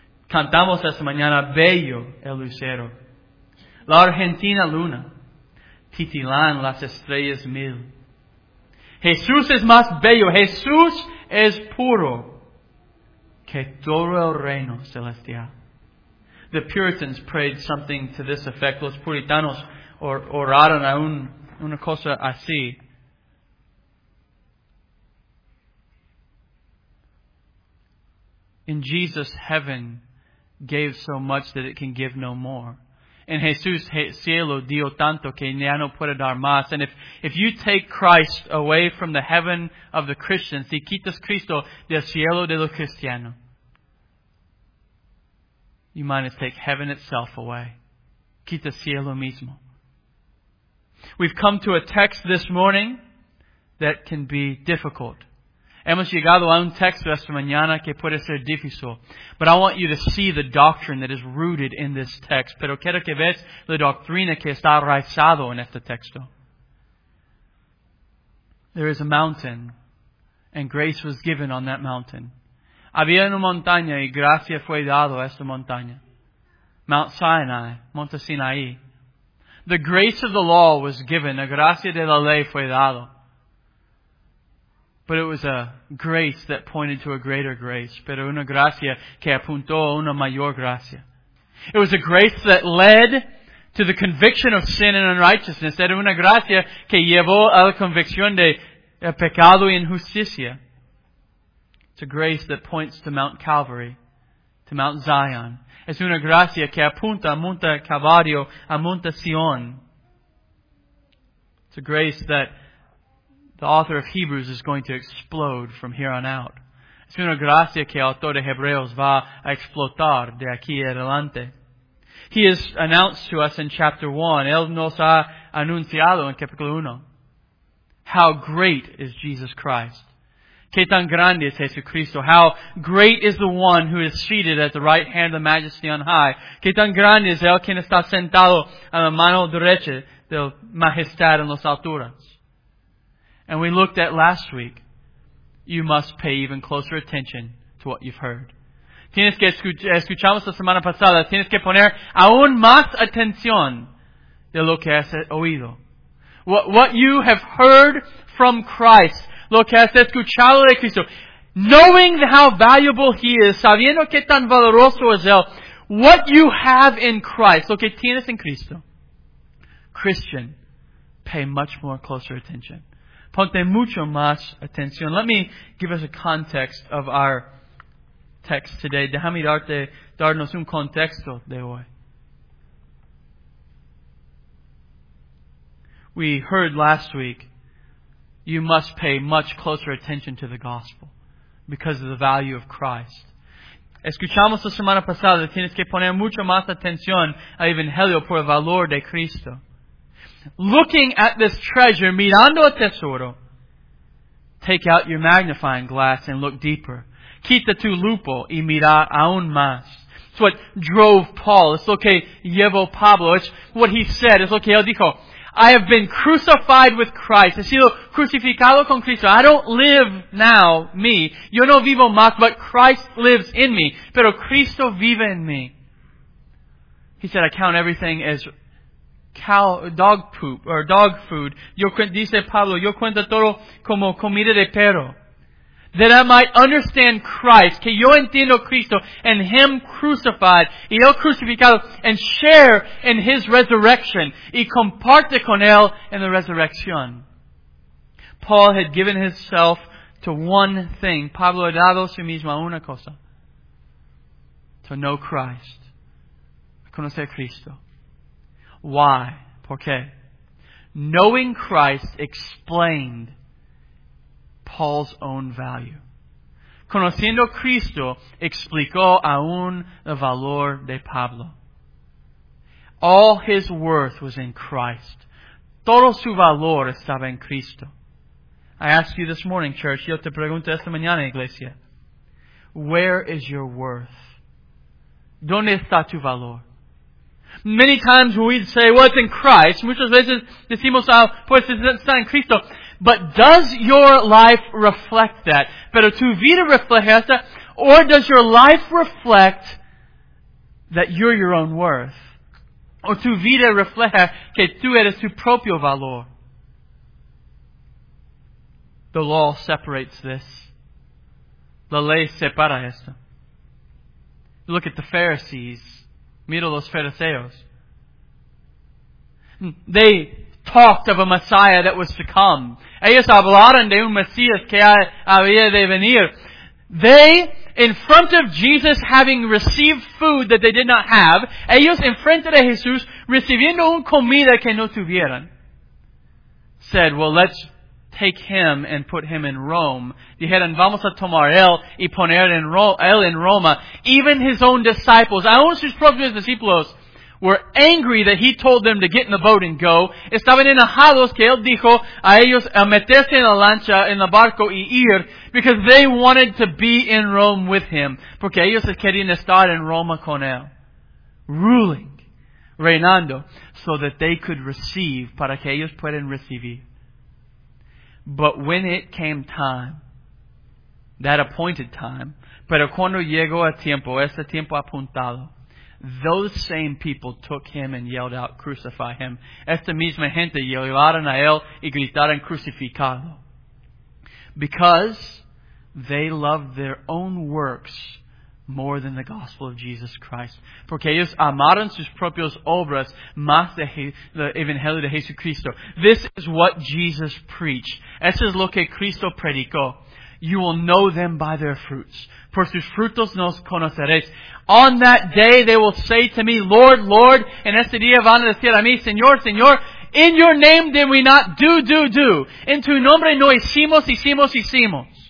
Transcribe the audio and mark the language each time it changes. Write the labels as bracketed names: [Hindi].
[Spanish] Cantamos esta mañana, bello el lucero, la argentina luna, titilan las estrellas mil. Jesús es más bello, Jesús es puro que todo el reino celestial. [English] The Puritans prayed something to this effect. [Spanish] Los puritanos oraron a una cosa así. [English] In Jesus, heaven gave so much that it can give no more. [Spanish] In Jesús, cielo dio tanto que ya no puede dar más. [English] And if you take Christ away from the heaven of the Christians, [Spanish] si quitas Cristo del cielo de los cristianos, [English] you might as take heaven itself away. [Spanish] Quita cielo mismo. [English] We've come to a text this morning that can be difficult. [Spanish] Hemos llegado a un texto esta mañana que puede ser difícil. [English] But I want you to see the doctrine that is rooted in this text. [Spanish] Pero quiero que veas la doctrina que está arraigada en este texto. [English] There is a mountain, and grace was given on that mountain. [Spanish] Había una montaña y gracia fue dado a esta montaña. [English] Mount Sinai, Monte Sinaí. The grace of the law was given, [Spanish] la gracia de la ley fue dado. [English] But it was a grace that pointed to a greater grace. [Spanish] Pero una gracia que apuntó a una mayor gracia. [English] It was a grace that led to the conviction of sin and unrighteousness. [Spanish] Era una gracia que llevó a la convicción de pecado y injusticia. [English] It's a grace that points to Mount Calvary, to Mount Zion. [Spanish] Es una gracia que apunta a Monte Calvario, a Monte Sion. [English] It's a grace that the author of Hebrews is going to explode from here on out. [Spanish] Es una gracia que el autor de Hebreos va a explotar de aquí adelante. [English] He is announced to us in chapter 1. [Spanish] Él nos ha anunciado en capítulo 1. [English] How great is Jesus Christ. [Spanish] Que tan grande es Jesucristo. [English] How great is the one who is seated at the right hand of the majesty on high. [Spanish] Que tan grande es el quien está sentado a la mano derecha del majestad en las alturas. [English] And we looked at last week, you must pay even closer attention to what you've heard. [Spanish] Tienes que escuchamos la semana pasada, tienes que poner aún más atención de lo que has oído. [English] What you have heard from Christ, [Spanish] lo que has escuchado de Cristo, [English] knowing how valuable He is, [Spanish] sabiendo que tan valoroso es Él, [English] what you have in Christ, [Spanish] lo que tienes en Cristo, [English] Christian, pay much more closer attention. [Spanish] Ponte mucho más atención. [English] Let me give us a context of our text today. [Spanish] Déjame darnos un contexto de hoy. [English] We heard last week, you must pay much closer attention to the gospel because of the value of Christ. [Spanish] Escuchamos la semana pasada, tienes que poner mucho más atención al evangelio por el valor de Cristo. [English] Looking at this treasure, [Spanish] mirando el tesoro, [English] take out your magnifying glass and look deeper. [Spanish] Quita tu lupo y mira aún más. [English] It's what drove Paul. It's [Spanish] lo que llevó Pablo. [English] It's what he said. It's [Spanish] lo que él dijo. [English] I have been crucified with Christ. [Spanish] He sido crucificado con Cristo. [English] I don't live now, me. [Spanish] Yo no vivo más, [English] but Christ lives in me. [Spanish] Pero Cristo vive en mí. [English] He said, I count everything as dog poop or dog food. [Spanish] Yo, dice Pablo, yo cuento todo como comida de perro. [English] that I might understand Christ, [Spanish] que yo entiendo Cristo, [English] and Him crucified, [Spanish] y Él crucificado, [English] and share in His resurrection, [Spanish] y comparte con Él en la resurrección. [English] Paul had given himself to one thing. [Spanish] Pablo ha dado a sí mismo a una cosa. [English] To know Christ. [Spanish] A conocer a Cristo. [English] Why? [Spanish] ¿Por qué? [English] Knowing Christ explained Paul's own value. [Spanish] Conociendo Cristo explicó aún el valor de Pablo. [English] All his worth was in Christ. [Spanish] Todo su valor estaba en Cristo. [English] I ask you this morning, church, [Spanish] yo te pregunto esta mañana, iglesia, [English] where is your worth? [Spanish] ¿Dónde está tu valor? [English] Many times we say, well, it's in Christ. [Spanish] Muchas veces decimos, pues está en Cristo. [English] But does your life reflect that? [Spanish] ¿Pero tu vida refleja esta? [English] Or does your life reflect that you're your own worth? [Spanish] ¿O tu vida refleja que tú eres tu propio valor? [English] The law separates this. [Spanish] La ley separa esto. [English] Look at the Pharisees. [Spanish] Mira los fariseos. [English] They talked of a Messiah that was to come. [Spanish] Ellos hablaron de un Mesías que había de venir. [English] They, in front of Jesus, having received food that they did not have, [Spanish] ellos en frente de Jesús, recibiendo un comida que no tuvieron, [English] said, well, let's take him and put him in Rome. [Spanish] Dijeron, vamos a tomar él y poner él en Roma. [English] Even his own disciples, [Spanish] aun sus propios discípulos, [English] were angry that he told them to get in the boat and go. [Spanish] Estaban enojados que él dijo a ellos a meterse en la lancha, en el barco y ir, [English] because they wanted to be in Rome with him. [Spanish] Porque ellos querían estar en Roma con él. [English] Ruling, [Spanish] reinando, so that they could receive, para que ellos puedan recibir. [English] But when it came time, that appointed time, [Spanish] pero cuando llegó a tiempo, ese tiempo apuntado, [English] those same people took him and yelled out, crucify him. [Spanish] Esta misma gente llevaron a él y gritaron, crucificado. [English] Because they loved their own works more than the gospel of Jesus Christ. [Spanish] Porque ellos amaron sus propias obras más de el Evangelio de Jesucristo. [English] This is what Jesus preached. [Spanish] Eso es lo que Cristo predicó. [English] You will know them by their fruits. [Spanish] Por sus frutos nos conoceréis. [English] On that day they will say to me, Lord, Lord, [Spanish] en este día van a decir a mí, Señor, Señor, [English] in your name did we not do, do, do. [Spanish] En tu nombre no hicimos, hicimos, hicimos.